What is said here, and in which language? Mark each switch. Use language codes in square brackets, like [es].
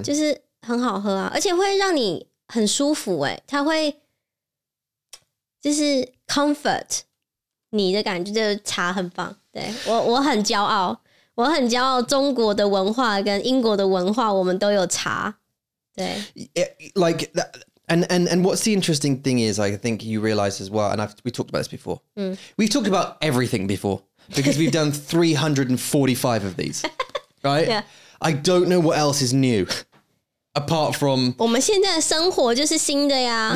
[zh] 就是很好喝啊 而且会让你很舒服耶 它会 就是 [en] comfort [zh] 你的感觉就是茶很棒 对我很骄傲 中国的文化跟英国的文化 我们都有茶 对 [en] Like that And what's the interesting thing is, I think you realize as well, and we talked about this before. We've talked about everything before because we've done 345 of these, right? Yeah. I don't know what else is new apart from... [zh] 我们现在的生活就是新的呀.